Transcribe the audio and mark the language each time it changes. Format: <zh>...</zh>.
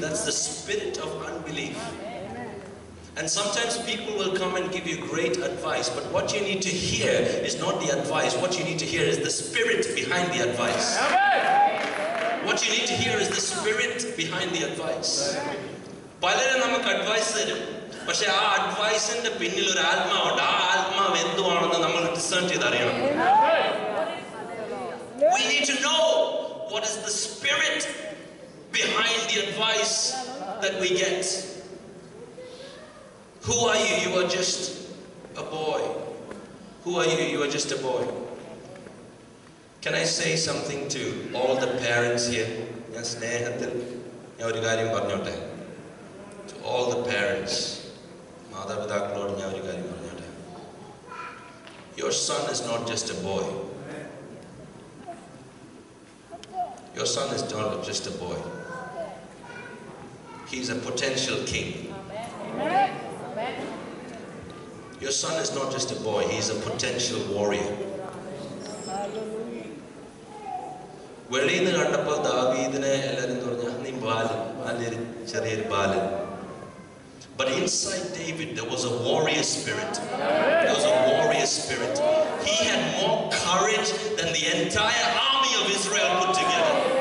<en>That's the spirit of unbelief. And sometimes people will come and give you great advice, but what you need to hear is not the advice. What you need to hear is the spirit behind the advice. What you need to hear is the spirit behind the advice.</en> <ml>പലരെ നമുക്ക് advice തരും, പക്ഷെ ആ അഡ്വൈസിന്റെ പിന്നിൽ ഒരു ആത്മാവുണ്ട്. ആ ആത്മാവ് എന്തുവാണെന്ന് നമ്മൾ ഡിസേൺ ചെയ്ത് അറിയണം.</ml> <en>We need to know what is the spirit behind the advice that we get. Who are you? You are just a boy. Who are you? You are just a boy. Can I say something to all the parents here?</en> <ml>ഞാൻ സ്നേഹത്തിൽ ഞാൻ ഒരു കാര്യം പറഞ്ഞോട്ടെ.</ml> <en>To all the parents,</en> <ml>മാതാപിതാക്കളോട് ഞാൻ ഒരു കാര്യം പറഞ്ഞോട്ടെ.</ml> <en>Your son is not just a boy. Your son is not just a boy. He's a potential king. Your son is not just a boy. He's a potential warrior.</en> <ml>വെളിയിൽ കണ്ടപ്പോൾ ദാവീദിനെ എല്ലാവരും പറഞ്ഞു, നീ ബാലൻ, നല്ലൊരു ചെറിയൊരു ബാലൻ.</ml> <en>But inside David there was a warrior spirit. There was a warrior spirit. He had more courage than the entire army of Israel put together.</en>